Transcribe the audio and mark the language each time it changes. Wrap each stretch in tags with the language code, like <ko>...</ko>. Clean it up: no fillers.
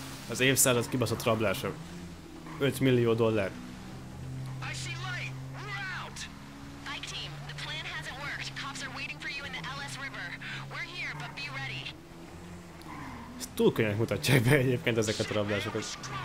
<hu>Az évszázad kibaszott rablása. 5 millió dollár.</hu> <en>I see light. We're out. Bike team, the plan hasn't worked. Cops are waiting for you in the LS River. We're here, but be ready.</en> <hu>Túl könnyen mutatják be egyébként ezeket a rablásokat.</hu>